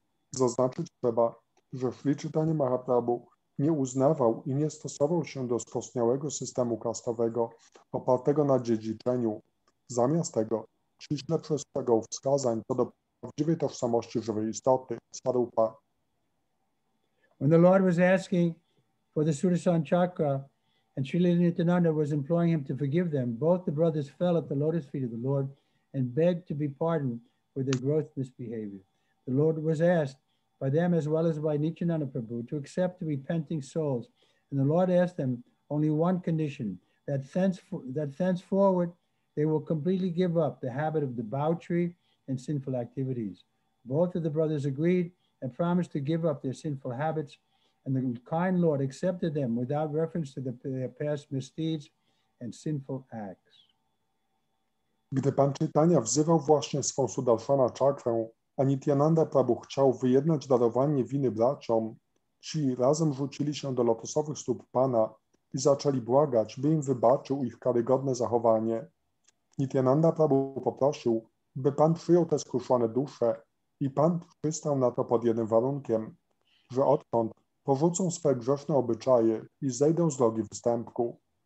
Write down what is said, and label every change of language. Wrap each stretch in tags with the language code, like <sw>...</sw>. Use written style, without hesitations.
<pl>Zaznaczyć trzeba, że Sri Chaitanya Mahaprabhu nie uznawał i nie stosował się do skostniałego systemu kastowego opartego na dziedziczeniu. Zamiast tego ściśle przestrzegał wskazań co do prawdziwej tożsamości żywej istoty, swarupa.</pl> <en>When the Lord was asking for the Sudarshan Chakra and Srila Nityananda was imploring him to forgive them, both the brothers fell at the lotus feet of the Lord and begged to be pardoned for their gross misbehavior. The Lord was asked by them as well as by Nityananda Prabhu to accept the repenting souls. And the Lord asked them only one condition, that thenceforward they will completely give up the habit of debauchery and sinful activities. Both of the brothers agreed and promised to give up their sinful habits, and the kind Lord accepted them without reference to their past misdeeds and sinful acts.</en> <pl>Gdy pan Chaitanya wzywał właśnie swą Sudarshana Chakrę, a Nityananda Prabhu chciał wyjednać darowanie winy braciom, ci razem rzucili się do lotosowych stóp pana i zaczęli błagać, by im wybaczył ich karygodne zachowanie. Nityananda Prabhu poprosił, by pan przyjął te skruszone dusze i pan przystał na to pod jednym warunkiem, że odtąd porzucą swe grzeszne obyczaje i zejdą z drogi występku.</pl>